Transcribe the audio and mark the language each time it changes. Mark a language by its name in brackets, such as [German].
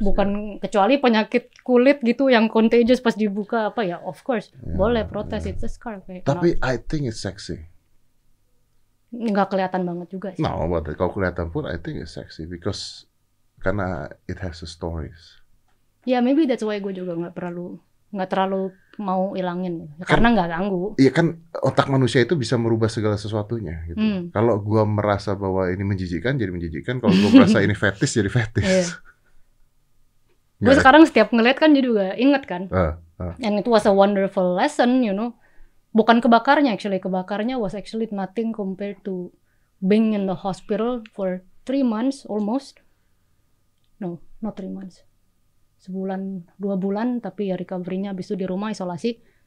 [Indonesian] Bukan kecuali penyakit kulit gitu yang contagious pas dibuka apa ya, [English] of course [Indonesian] boleh protes. [English] It's a scar. [Indonesian] Tapi [English] I think it's sexy. [Indonesian] Nggak kelihatan banget juga sih. [English] No, but [Indonesian] kalau kelihatan pun [English] I think it's sexy because [Indonesian] Karena [English] it has a stories. [Indonesian] Ya, yeah, [English] maybe that's why [Indonesian] gue juga nggak perlu, nggak terlalu mau ilangin, karena nggak ganggu. Iya kan, otak manusia itu bisa merubah segala sesuatunya. Gitu. Hmm. Kalau gue merasa bahwa ini menjijikan, jadi menjijikan. Kalau gue merasa ini fetis, jadi fetis. Yeah. Gue sekarang setiap ngeliat kan jadi juga inget kan. [English] And it was a wonderful lesson, you know. [Indonesian] Bukan kebakarnya [English] actually, kebakarnya was actually nothing compared to being in the hospital for 3 months almost. No, not 3 months. [Indonesian] Sebulan, 2 bulan, tapi ya recovery-nya abis itu di rumah isolasi.